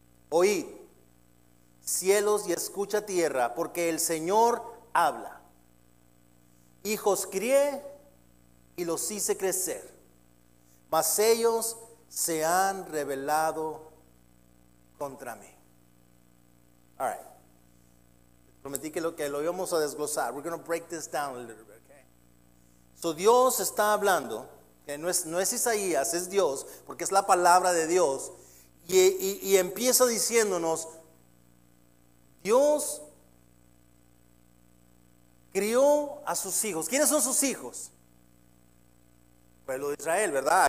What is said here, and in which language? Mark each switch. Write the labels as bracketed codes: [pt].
[es] Oíd, cielos, y escucha tierra, porque el Señor habla. Hijos crié y los hice crecer, mas ellos se han rebelado contra mí. [en] All right. [es] Prometí que lo íbamos a desglosar. [en] We're going to break this down a little bit, okay? [es] So Dios está hablando, que no es Isaías, es Dios, porque es la palabra de Dios, y empieza diciéndonos, Dios crió a sus hijos. ¿Quiénes son sus hijos? Pueblo de Israel, ¿verdad?